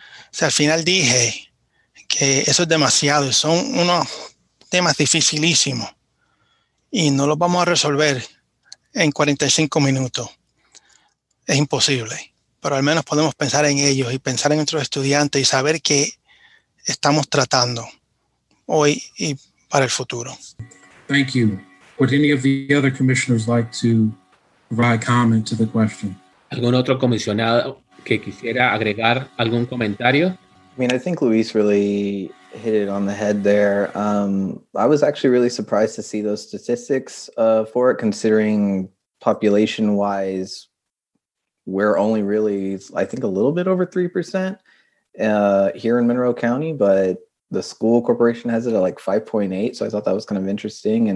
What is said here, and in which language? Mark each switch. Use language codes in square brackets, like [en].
[es] O sea, al final dije que eso es demasiado, son unos temas dificilísimos y no los vamos a resolver en 45 minutos. Es imposible, pero al menos podemos pensar en ellos y pensar en nuestros estudiantes y saber qué estamos tratando hoy y para el futuro. [en] Thank you. Would any of the other commissioners like to provide comment to the question? [es] ¿Algún otro comisionado que quisiera agregar algún comentario? [en] I mean, I think Luis really hit it on the head there. I was actually really surprised to see those statistics for it, considering population-wise, we're only really, I think, a little bit over 3% here in Monroe County, but the school corporation has it at like 5.8. So I thought that was kind of interesting.